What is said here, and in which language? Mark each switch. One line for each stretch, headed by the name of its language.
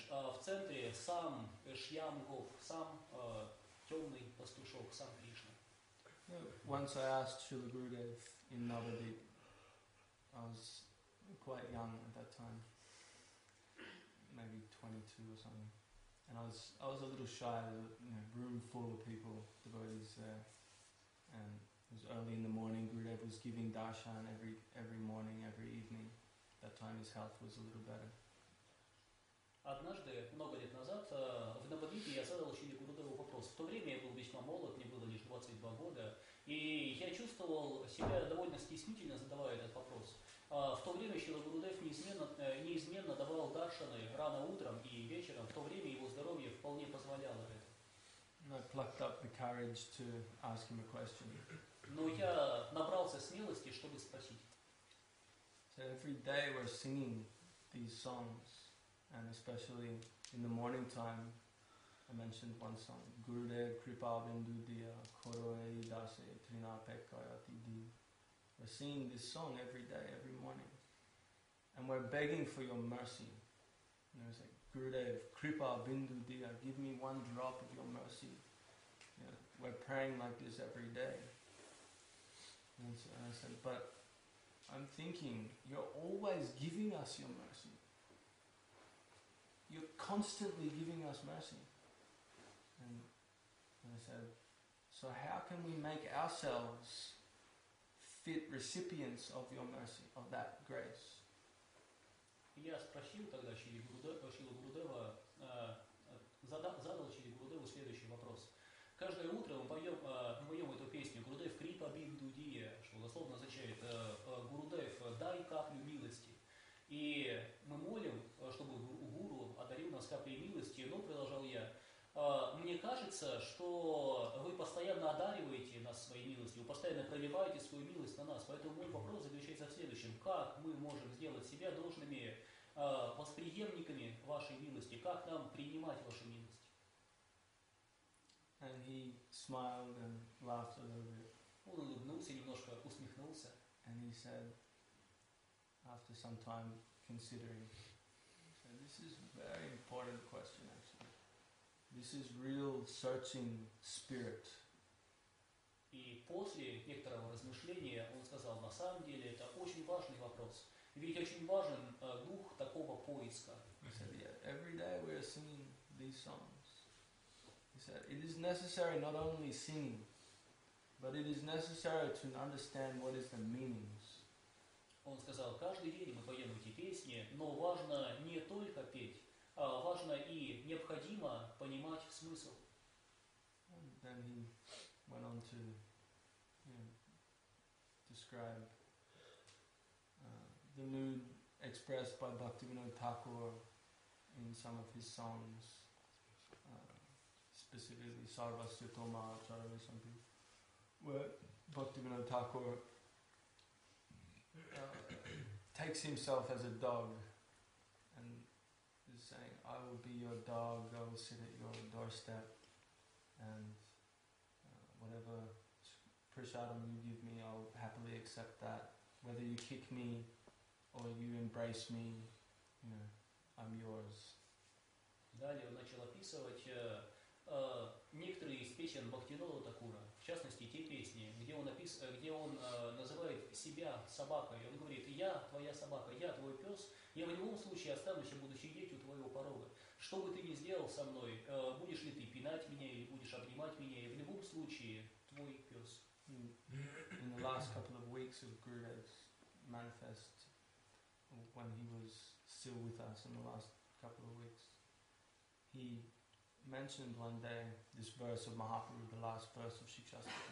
Russian: В центре сам Шьям Гоп, сам темный пастушок, сам Кришна.
English: Once I asked Srila Gurudev in Navadvip, I was quite young at that time, maybe 22 or something, and I was a little shy, room full of people, devotees there, and it was early in the morning. Gurudev was giving darshan every morning, every evening. At that time his health was a little better.
Russian: Однажды, много лет назад, в Навадвипе я задал Шри Гурудеву вопрос. В то время я был весьма молод, мне было лишь 22 года, и я чувствовал себя довольно стеснительно, задавая этот вопрос. В то время Шри Гурудев неизменно давал даршаны рано утром и вечером, в то время его здоровье вполне позволяло это.
English: And I plucked up the courage to ask him a question.
Russian: Но я набрался смелости, чтобы спросить.
English: So every day we're singing these songs. And especially in the morning time, I mentioned one song,
Bangla: Gurudev Kripa Bindu Diya Koroe Dase Trinapekayati Di.
English: We're singing this song every day, every morning. And we're begging for your mercy. And it's like,
Bangla: Gurudev Kripa Bindu Diya,
English: give me one drop of your mercy. We're praying like this every day. And I said, but I'm thinking, you're always giving us your mercy. You're constantly giving us mercy. And I said, so how can we make ourselves fit recipients of your mercy, of that grace?
Russian: Я спросил тогда Шрилу Гурудеву, задал Шрилу Гурудеву следующий вопрос. Каждое утро мы поем эту песню «Гурудев Крипа Бинду Дия», что дословно означает «Гурудев, дай каплю милости». И мы молим, чтобы Гуру одарил нас каплей милости, но, продолжал я, мне кажется, что вы постоянно одариваете нас своей милостью, вы постоянно проливаете свою милость на нас, поэтому мой вопрос заключается в следующем. Как мы можем сделать себя должными восприемниками вашей милости? Как нам принимать вашу милость?
English: And he smiled and laughed a little bit.
Russian: Он улыбнулся, немножко усмехнулся.
English: And he said, after some time considering, said, this is a very important question actually. This is real searching spirit.
Russian: И после некоторого размышления он сказал, на самом деле это очень важный вопрос. Ведь очень важен дух такого поиска.
English: He said, yeah, every day we are singing these songs. He said, it is necessary not only singing, but it is necessary to understand what is the meanings.
Russian: Он сказал, каждый день мы поем эти песни, но важно не только петь, а важно и необходимо понимать смысл.
English: And then he went on to, you know, describe the mood expressed by Bhaktivinoda Thakur in some of his songs, specifically Sarvasya Toma Achara or something, where Bhaktivinoda Thakur takes himself as a dog and is saying, I will be your dog, I will sit at your doorstep, and whatever prasadam you give me, I'll happily accept that. Whether you kick me or you embrace me, you know, I'm yours.
Russian: Далее он начал описывать некоторые из песен Бхактивинода Такура, в частности те песни, где он называет себя собакой. Он говорит, я твоя собака, я твой пес, я в любом случае останусь и буду сидеть у твоего порога. Что бы ты ни сделал со мной, будешь ли ты пинать меня или будешь обнимать меня, я в любом случае твой пес.
English: In the last couple of weeks of Guru's manifest, when he was still with us in the last couple of weeks, he mentioned one day this verse of Mahaprabhu, the last verse of Shikshastra,